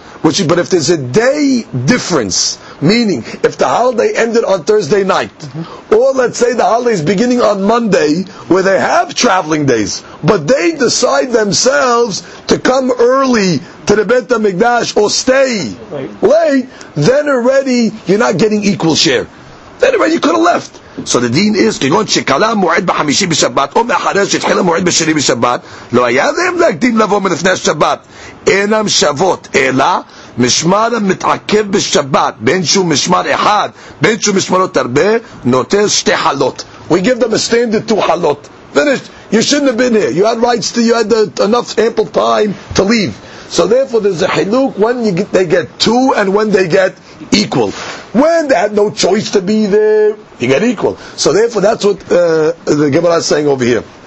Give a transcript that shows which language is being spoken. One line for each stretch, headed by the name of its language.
English: Which, but if there's a day difference, meaning if the holiday ended on Thursday night, or let's say the holiday is beginning on Monday, where they have traveling days, but they decide themselves to come early to the Beit HaMikdash or stay late, then already you're not getting equal share. Then already you could have left. So the deen is,
Hebrew: כגון שקלה מועד בחמישי בשבת, או מאחרי שהתחילה מועד בשני בשבת, לא היה להם להקדים לבוא מלפני השבת. אינם שוות, אלא משמר המתעכב בשבת, בין שהוא משמר אחד, בין שהוא משמרות הרבה, נותר שתי חלות.
English: We give them a standard two חלות. Finished. You shouldn't have been here. You had rights to, you had enough ample time to leave. So therefore there's a chiluk when they get two and when they get equal. when they had no choice to be there, you get equal. So therefore, that's what the Gemara is saying over here.